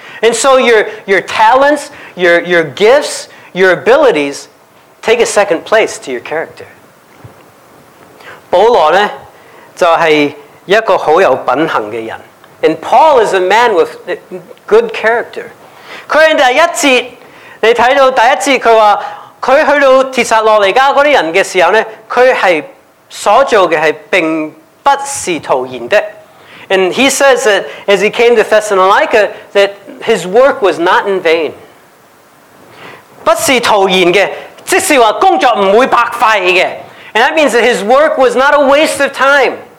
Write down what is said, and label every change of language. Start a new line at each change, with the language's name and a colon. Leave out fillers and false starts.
English: And so your talents, your gifts, your abilities take a second place to your character.
Cantonese: 保羅呢就係一個好有品行嘅人。
English: And Paul is a man with good character.
Cantonese: 佢喺第一節，你睇到第一節，佢話佢去到帖撒羅尼加嗰啲人嘅時候咧，佢係所做嘅係並不是徒然的。
English: And he says that as he came to Thessalonica, that his work was not in vain.
Cantonese: 不是徒然的，即是话工作唔会白费嘅。
English: And that means that his work was not a waste of time.